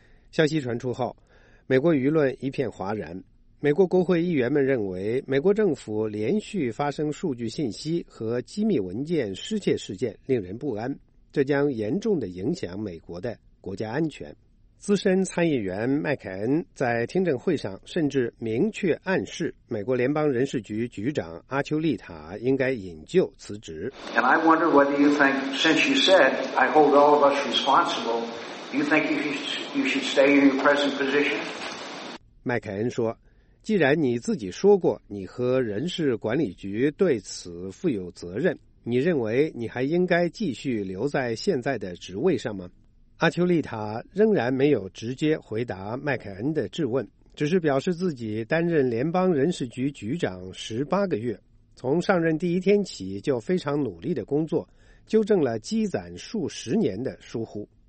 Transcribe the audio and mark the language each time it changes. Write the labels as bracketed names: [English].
[Chinese] 消息传出后，美国舆论一片哗然，美国国会议员们认为，美国政府连续发生数据信息和机密文件失窃事件令人不安，这将严重地影响美国的国家安全。资深参议员麦凯恩在听证会上甚至明确暗示，美国联邦人事局局长阿丘利塔应该引咎辞职。 [English] And I wonder whether you think, since you said I hold all of us responsible,Do you think you should stay in your present position? [Chinese] 麦凯恩说，既然你自己说过你和人事管理局对此负有责任，你认为你还应该继续留在现在的职位上吗？阿丘丽塔仍然没有直接回答麦凯恩的质问，只是表示自己担任联邦人事局局长18个月，从上任第一天起就非常努力的工作，纠正了积攒数十年的疏忽。